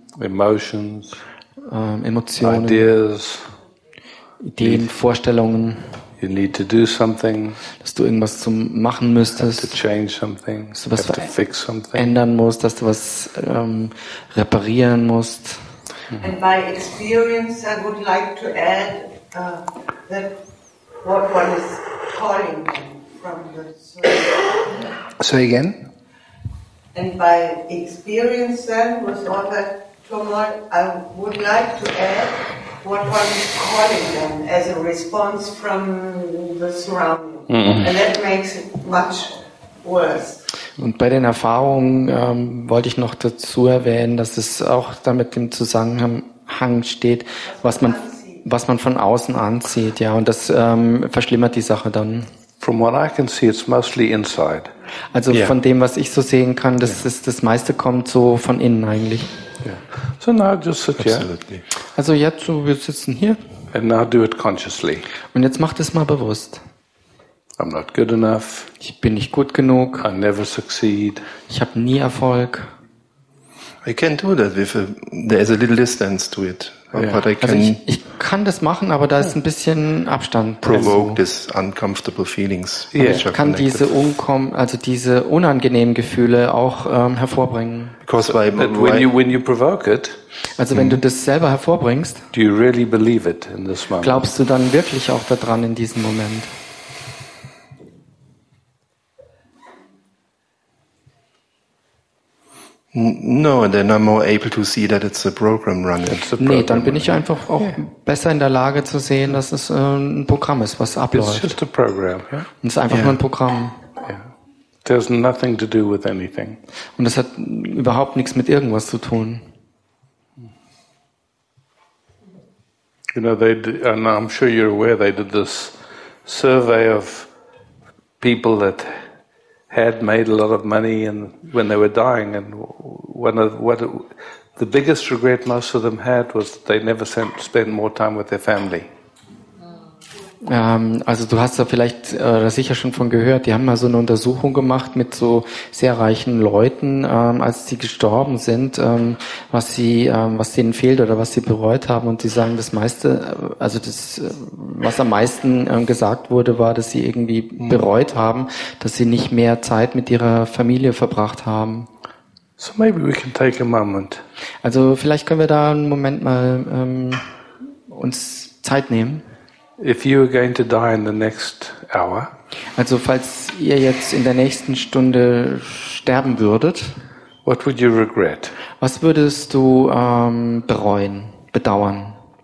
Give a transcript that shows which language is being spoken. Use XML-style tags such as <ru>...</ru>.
<en>Emotions,</en> <de>Emotionen, Ideen, Vorstellungen.</de> <en>You need to do something.</en> <de>Dass du irgendwas zu machen müsstest.</de> <en>Have to change something.</en> <de>Dass du was ändern musst, dass du was reparieren musst.</de> <en>And by experience, I would like to add that what one is calling from the soul. Say again. And by experience, then was what that. I would like to add what one is calling them as a response from the surrounding. Mm-hmm. And that makes it much worse.</en> <de>Und bei den Erfahrungen wollte ich noch dazu erwähnen, dass es auch damit im Zusammenhang steht, was man von außen anzieht. Ja, und das verschlimmert die Sache dann.</de> <en>From what I can see, it's mostly inside. Also yeah.</en> <de>Von dem, was ich so sehen kann, das meiste kommt so von innen eigentlich.</de> <en>Yeah. So now just sit here. Absolutely.</en> <de>Also jetzt, so wir sitzen hier.</de> <en>And now do it consciously.</en> <de>Und jetzt mach das mal bewusst.</de> <en>I'm not good enough.</en> <de>Ich bin nicht gut genug.</de> <en>I never succeed.</en> <de>Ich habe nie Erfolg.</de> <en>I can do that with there is a little distance to it. Yeah. But I can,</en> <de>also ich kann das machen, aber da ist ein bisschen Abstand.</de> <en>Provoke this uncomfortable feelings. Yeah.</en> <de>Ich kann diese diese unangenehmen Gefühle auch hervorbringen.</de> <en>Because when you provoke it.</en> <de>Also wenn du das selber hervorbringst.</de> <en>Do you really believe it in this moment?</en> <de>Glaubst du dann wirklich auch daran in diesem Moment?</de> <en>No, and then I'm more able to see that it's a program running.</en> <de>Nee, dann bin ich einfach auch besser in der Lage zu sehen, dass es ein Programm ist, was abläuft.</de> <en>It's just a program, yeah?</en> <de>Und es ist einfach nur ein Programm.</de> <en>Yeah. There's nothing to do with anything.</en> <de>Und es hat überhaupt nichts mit irgendwas zu tun.</de> <en>You know, and I'm sure you're aware, they did this survey of people that had made a lot of money and when they were dying, and the biggest regret most of them had was that they never spent more time with their family.</en> <de>Also du hast da vielleicht oder sicher schon von gehört, die haben mal so eine Untersuchung gemacht mit so sehr reichen Leuten, als sie gestorben sind, was denen fehlt oder was sie bereut haben, und sie sagen, das meiste, also das, was am meisten gesagt wurde, war, dass sie irgendwie bereut haben, dass sie nicht mehr Zeit mit ihrer Familie verbracht haben.</de> <en>So maybe we can take a moment.</en> <de>Also vielleicht können wir da einen Moment mal uns Zeit nehmen.</de> <en>If you are going to die in the next hour,</en> <de>also falls ihr jetzt in der nächsten Stunde sterben würdet,</de> <en>what would you regret?</en> <de>Was würdest du bereuen, bedauern?</de>